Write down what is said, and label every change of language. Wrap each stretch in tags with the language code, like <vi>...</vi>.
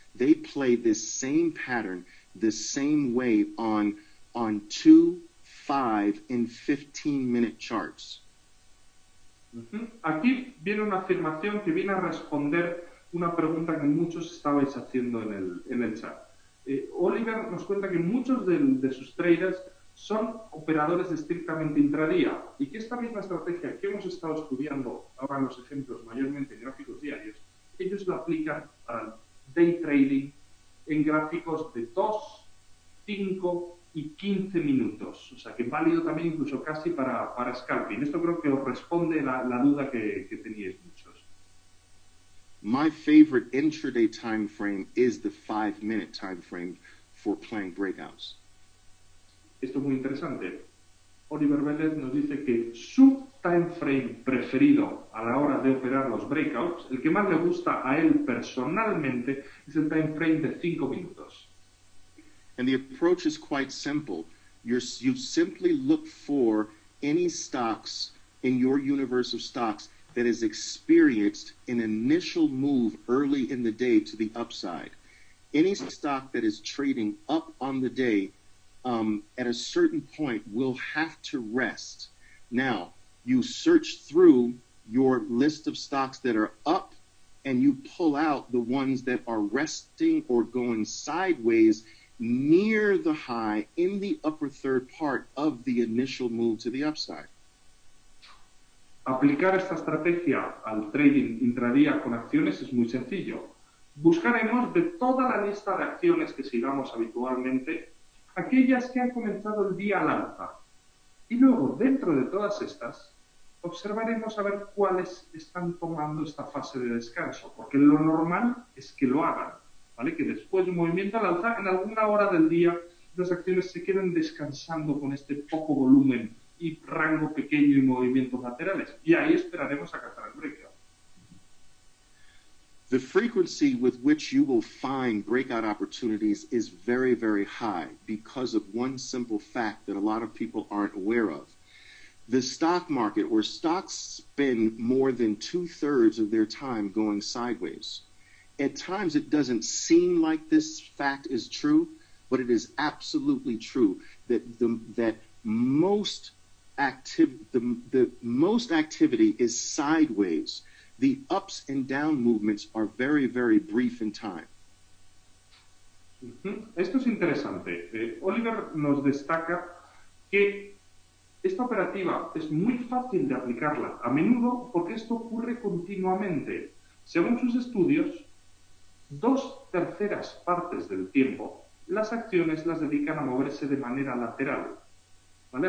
<en>They play this same pattern, the same way on 2, 5, and 15-minute charts.</en> <es>Aquí viene una afirmación que viene a responder una pregunta que muchos estabais haciendo en el chat. Oliver nos cuenta que muchos de sus traders son operadores estrictamente intradía y que esta misma estrategia que hemos estado estudiando ahora en los ejemplos mayormente en gráficos diarios, ellos la aplican al day trading en gráficos de 2, 5 y 15 minutos. O sea, que válido también incluso casi para scalping. Esto creo que os responde la duda que teníais muchos.</es> <en>My favorite intraday time frame is the 5-minute time frame for playing breakouts.</en> <es>Esto es muy interesante. Oliver Vélez nos dice que su time frame preferido a la hora de operar los breakouts, el que más le gusta a él personalmente, es el time frame de 5 minutos.</es> <en>And the approach is quite simple. You simply look for any stocks in your universe of stocks that has experienced an initial move early in the day to the upside. Any stock that is trading up on the day at a certain point will have to rest. Now, you search through your list of stocks that are up and you pull out the ones that are resting or going sideways near the high in the upper third part of the initial move to the upside.</en> <es>Aplicar esta estrategia al trading intradía con acciones es muy sencillo. Buscaremos de toda la lista de acciones que sigamos habitualmente aquellas que han comenzado el día al alza. Y luego, dentro de todas estas, observaremos a ver cuáles están tomando esta fase de descanso, porque lo normal es que lo hagan, ¿vale? Que después de un movimiento al alza, en alguna hora del día, las acciones se queden descansando con este poco volumen y rango pequeño y movimientos laterales. Y ahí esperaremos a cazar el breakout.</es> <en>The frequency with which you will find breakout opportunities is very, very high because of one simple fact that a lot of people aren't aware of. The stock market, where stocks spend more than two-thirds of their time going sideways. At times it doesn't seem like this fact is true, but it is absolutely true that the most activity is sideways. The ups and down movements are very, very brief in time.</en> <es>Esto es interesante. Oliver nos destaca que esta operativa es muy fácil de aplicarla a menudo porque esto ocurre continuamente. Según sus estudios, 2/3 del tiempo las acciones las dedican a moverse de manera lateral. ¿Vale?</es>